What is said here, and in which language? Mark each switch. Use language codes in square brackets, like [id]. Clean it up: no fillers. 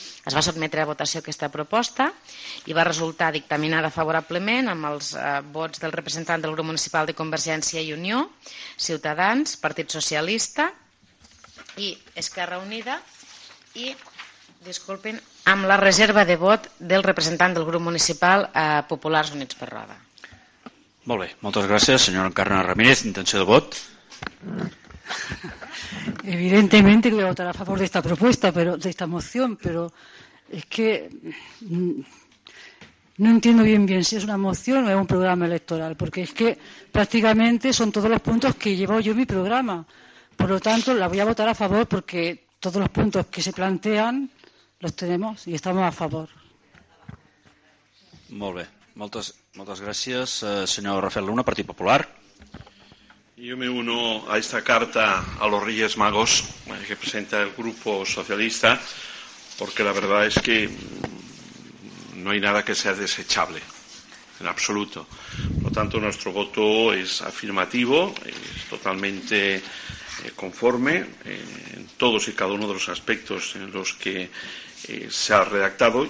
[ca] Es va sotmetre a votació aquesta proposta i va resultar dictaminada favorablement amb els vots del representant del grup municipal de Convergència i Unió, Ciutadans, Partit Socialista i Esquerra Unida i, disculpen, amb la reserva de vot del representant del grup municipal Populars Units per Roda. Molt bé, moltes gràcies, senyora Encarna Ramírez. Intenció de vot? [es] Evidentemente que voy a votar a favor de esta propuesta, pero de esta moción, pero es que no entiendo bien si es una moción o es un programa electoral, porque es que prácticamente son todos los puntos que llevo yo en mi programa. Por lo tanto, la voy a votar a favor porque todos los puntos que se plantean los tenemos y estamos a favor. [ca] Molt bé. Moltes gràcies, senyor Rafael Luna, Partit Popular. [es] Yo me uno a esta carta a los Reyes Magos que presenta el Grupo Socialista, porque la verdad es que no hay nada que sea desechable, en absoluto. Por lo tanto, nuestro voto es afirmativo, es totalmente conforme en todos y cada uno de los aspectos en los que se ha redactado.